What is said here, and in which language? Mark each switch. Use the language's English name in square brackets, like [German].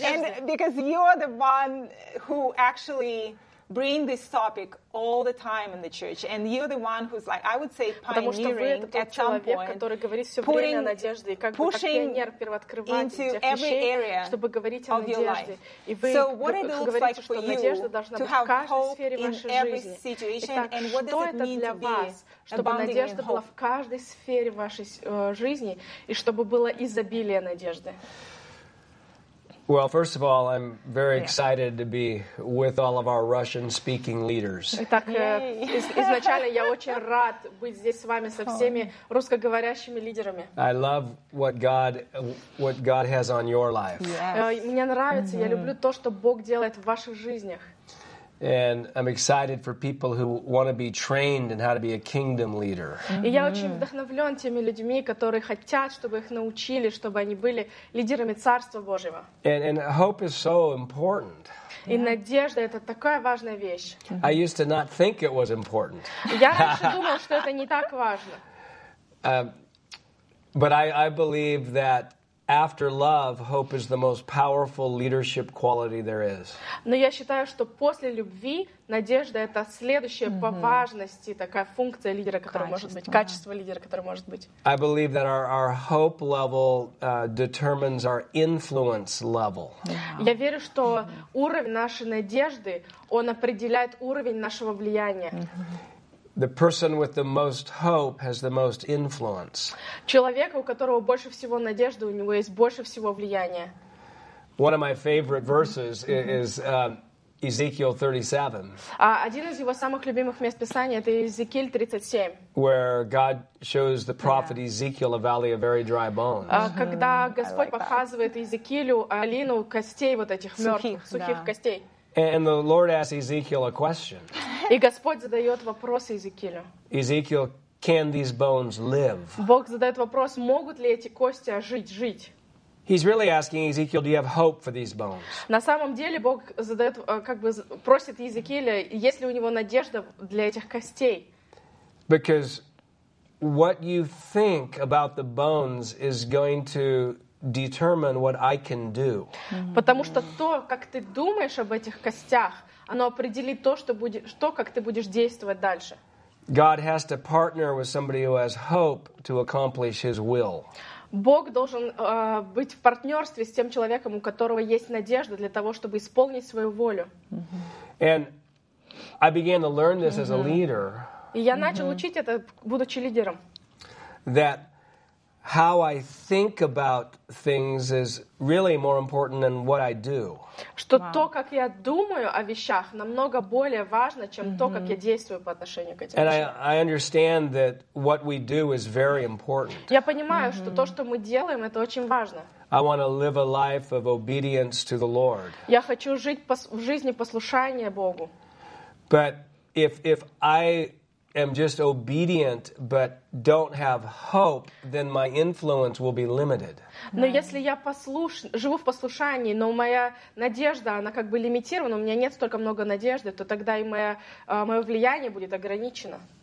[English] And because you are the one who actually bring this topic all the time in the church, and you're the one who's like, I would say, pioneering at some point, putting, pushing into every area of your life. So what it looks like for you to have hope in every situation, and what does it mean to be? [Russian] Чтобы надежда была в каждой сфере вашей жизни и чтобы было изобилие надежды. [English] Well, first of all, I'm very excited to be with all of our Russian-speaking leaders. [Russian] Итак, изначально я очень рад быть здесь с вами со всеми русскоговорящими лидерами. [English] I love what God has on your life. [Russian] Мне нравится, я люблю то, что Бог делает в ваших жизнях. [English] And I'm excited for people who want to be trained in how to be a kingdom leader. [Russian] И я очень вдохновлен теми людьми, которые хотят, чтобы их научили, чтобы они были лидерами Царства Божьего. [English] And hope is so important. [Russian] И надежда — это такая важная вещь. [English] I used to not think it was important. [Russian] Я раньше думал, что это не так важно. [English] But I believe that after love, hope is the most powerful leadership quality there is. [Russian] Но я считаю, что после любви надежда — это следующая по важности такая функция лидера, которая может быть, качество лидера, которое может быть. [English] I believe that our hope level determines our influence level. [Russian] Я верю, что уровень нашей надежды, он определяет уровень нашего влияния. [English] The person with the most hope has the most influence. [Russian] Человек, у которого больше всего надежды, у него есть больше всего влияния. [English] One of my favorite verses is Ezekiel 37. [Russian] Один из его самых любимых мест писания — это Иезекииль 37. [English] Where God shows the prophet Ezekiel a valley of very dry bones. [Russian] Когда Господь показывает Иезекиилю долину костей вот этих мёртвых, сухих костей. [English] And the Lord asks Ezekiel a question. [Russian] И Господь задает вопрос Иезекиилю. [English] Ezekiel, can these bones live? [Russian] Бог задает вопрос, могут ли эти кости жить? [English] He's really asking Ezekiel, do you have hope for these bones? [Russian] На самом деле Бог задает, как бы просит Иезекииля, есть ли у него надежда для этих костей? [English] Because what you think about the bones is going to determine what I can do. [Russian] Потому что то, как ты думаешь об этих костях, оно определит то, что будет, что, как ты будешь действовать дальше. [English] God has to partner with somebody who has hope to accomplish His will. [Russian] Бог должен быть в партнерстве с тем человеком, у которого есть надежда для того, чтобы исполнить свою волю. [English] And I began to learn this as a leader. [Russian] И я начал учить это, будучи лидером. [English] That how I think about things is really more important than what I do. [Russian] Что то, как я думаю о вещах, намного более важно, чем то, как я действую по отношению к этим вещам. [English] And I understand that what we do is very important. [Russian] Я понимаю, что то, что мы делаем, это очень важно. [English] I want to live a life of obedience to the Lord. [Russian] Я хочу жить в жизни послушания Богу. [English] But if I am just obedient but don't have hope, then my influence will be limited. [Russian] Но если я живу в послушании, но моя надежда, она как бы лимитирована, у меня нет столько много надежды, то тогда и мое влияние будет ограничено.